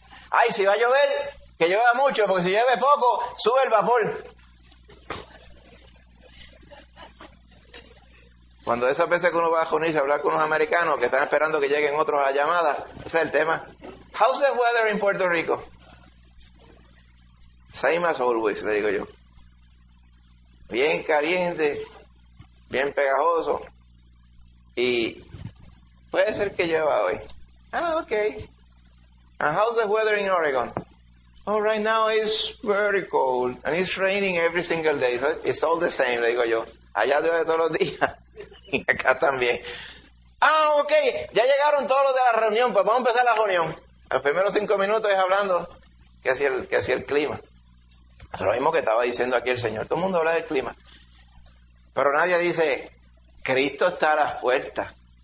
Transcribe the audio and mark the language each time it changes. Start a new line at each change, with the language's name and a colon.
Spanish: Ay, si va a llover, que llueva mucho, porque si llueve poco, sube el vapor. Cuando esas veces que uno va a reunirse a hablar con unos americanos que están esperando que lleguen otros a la llamada, ese es el tema.
English: How's the weather in Puerto Rico? Same as always,
Spanish: le digo yo. Bien caliente, bien pegajoso. Y puede ser que llueva hoy. Ah, okay.
English: And how's the weather in Oregon? Oh, right now it's very cold and it's raining every single day. So it's all the same,
Spanish: le digo yo. Allá llueve todos los días. Y acá también. Ah, okay. Ya llegaron todos los de la reunión, pues vamos a empezar la reunión. Los primeros 5 minutos es hablando que hacía el clima. Es lo mismo que estaba diciendo aquí el Señor. Todo el mundo habla del clima. Pero nadie dice, Cristo está a las puertas.